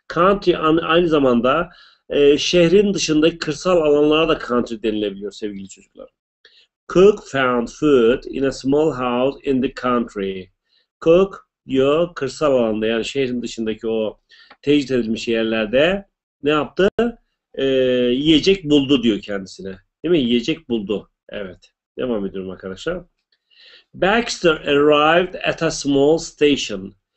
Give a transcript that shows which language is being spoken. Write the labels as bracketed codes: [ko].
[tr] Country aynı zamanda şehrin dışındaki kırsal alanlara da country denilebiliyor sevgili çocuklar. [en] Cook found food in a small house in the country. [tr] Cook diyor kırsal alanda yani şehrin dışındaki o tecrit edilmiş yerlerde ne yaptı? Yiyecek buldu diyor kendisine. Değil mi? Yiyecek buldu. Evet. Devam ediyorum arkadaşlar. [en] Baxter arrived at a small station.